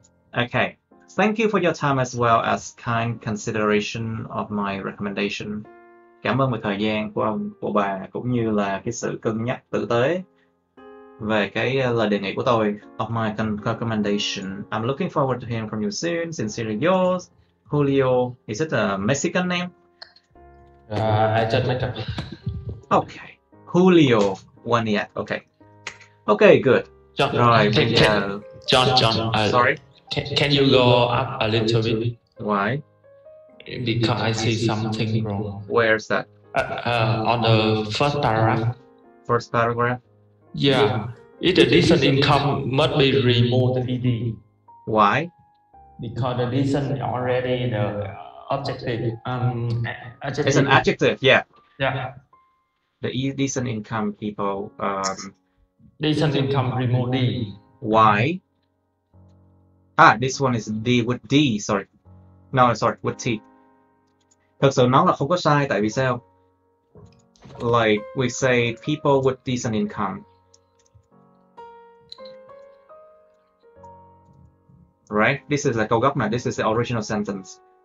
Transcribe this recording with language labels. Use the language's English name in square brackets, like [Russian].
[English] Okay, thank you for your time as well as kind consideration of my recommendation. [Vietnamese] Cảm ơn về thời gian của ông, của bà, cũng như là cái sự cân nhắc tử tế về cái lời đề nghị của tôi. [English] Of my recommendation, I'm looking forward to hearing from you soon. Sincerely yours, Julio. Is it a Mexican name? I just made up. Okay, Julio one yet. Okay. Okay, good. John, rồi, John. Sorry. Can you go up a little bit? Why? Because I see something wrong. Where is that? On the first paragraph. First paragraph? Yeah. If the decent income must be removed. Why? Because the decent already the objective. It's an adjective, yeah. Yeah. The decent income people. Decent income removed. Why? Ah, this one is D with D, sorry. No, sorry, with T. [Vietnamese] Thực sự nó là không có sai, tại vì sao? [English] Like, we say people with decent income. Right? This is a [Vietnamese] câu gốc này, [English] this is the original sentence.